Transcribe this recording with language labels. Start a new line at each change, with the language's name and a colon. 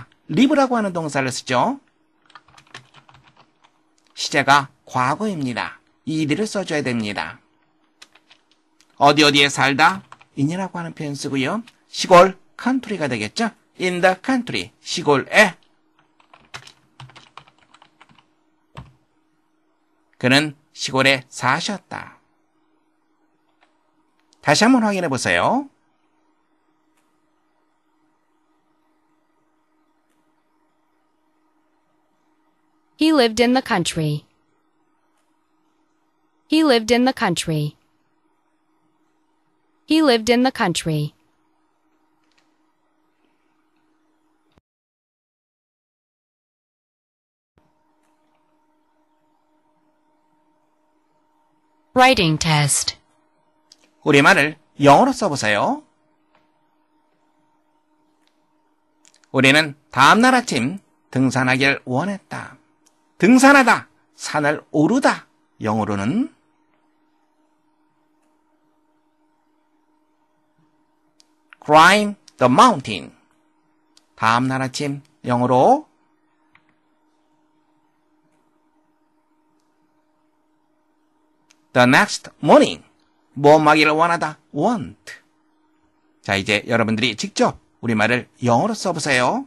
Korean: live라고 하는 동사를 쓰죠. 시제가 과거입니다. 이 이들을 써줘야 됩니다. 어디 어디에 살다? in이라고 하는 표현 쓰고요. 시골, country가 되겠죠.
English: in the country, 시골에.
Korean: 그는 시골에 사셨다. 다시 한번 확인해 보세요.
English: He lived in the country. He lived in the country. He lived in the country.
Korean: 라이팅 테스트. 우리 말을 영어로 써보세요. 우리는 다음 날 아침 등산하길 원했다. 등산하다, 산을 오르다. 영어로는
English: climb the mountain.
Korean: 다음 날 아침 영어로
English: The next morning,
Korean: 뭐뭐하기를 원하다, want. 자, 이제 여러분들이 직접 우리말을 영어로 써보세요.